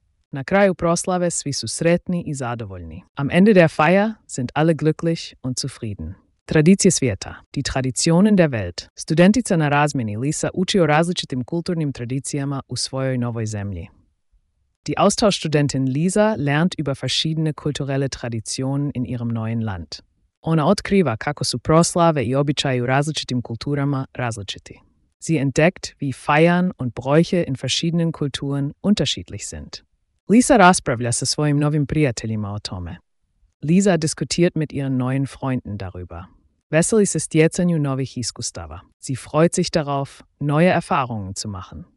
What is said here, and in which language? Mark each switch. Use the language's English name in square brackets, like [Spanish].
[Croatian] Na kraju proslave svi su sretni i zadovoljni. [German] Am Ende der Feier sind alle glücklich und zufrieden. [Croatian] Tradicije svijeta. [German] Die Traditionen der Welt. [Croatian] Studentica na razmjeni Lisa uči o različitim kulturnim tradicijama u svojoj novoj zemlji. [German] Die Austauschstudentin Lisa lernt über verschiedene kulturelle Traditionen in ihrem neuen Land. [Croatian] Ona otkriva kako su proslave i običaji u različitim kulturama različiti. [German] Sie entdeckt, wie Feiern und Bräuche in verschiedenen Kulturen unterschiedlich sind. [Croatian] Lisa raspravlja sa svojim novim prijateljima o tome. [German] Lisa diskutiert mit ihren neuen Freunden darüber. [Croatian] Veseli se stjecanju novih iskustava. [German] Sie freut sich darauf, neue Erfahrungen zu machen.